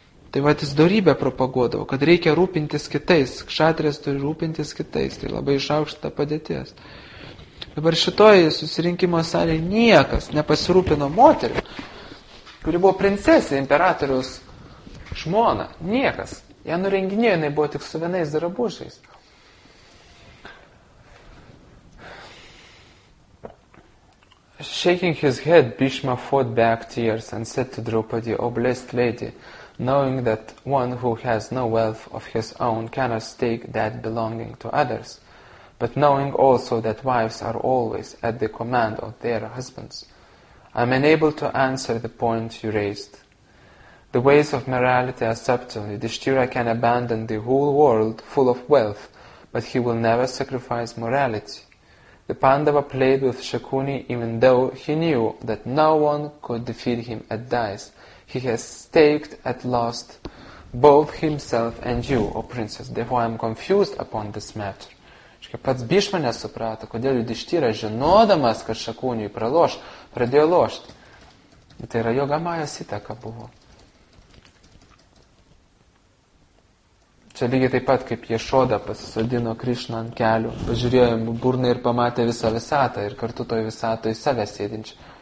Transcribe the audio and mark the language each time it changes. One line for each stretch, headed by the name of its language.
Lithuanian: Tai va, jis dorybę propaguodavo, kad reikia rūpintis kitais, kšatrijas turi rūpintis kitais, tai labai išaukštą padėties. Dabar šitoje susirinkimo salėje niekas nepasirūpino moterį, kuri buvo princesė, imperatoriaus žmona. Niekas. Ją nurenginėjo, jinai buvo tik su vienais drabužiais.
English: Shaking his head, Bhishma fought back tears and said to Draupadi, O blessed lady, knowing that one who has no wealth of his own cannot take that belonging to others. But knowing also that wives are always at the command of their husbands, I am unable to answer the point you raised. The ways of morality are subtle. Yudhishthira can abandon the whole world full of wealth, but he will never sacrifice morality. The Pandava played with Shakuni even though he knew that no one could defeat him at dice. He has staked at last both himself and you, O princess. Therefore I am confused upon this matter.
Lithuanian: Pats Bhishma nesuprato, kodėl Yudhishthira, žinodamas, kad Šakūniui praloš, pradėjo lošti. Tai yra Yogamajos įtaka buvo. Čia lygiai taip pat, kaip Yashoda pasisodino Krishna ant kelių, pažiūrėjo burną ir pamatė visą visatą ir kartu toj visatoj save sėdinčią.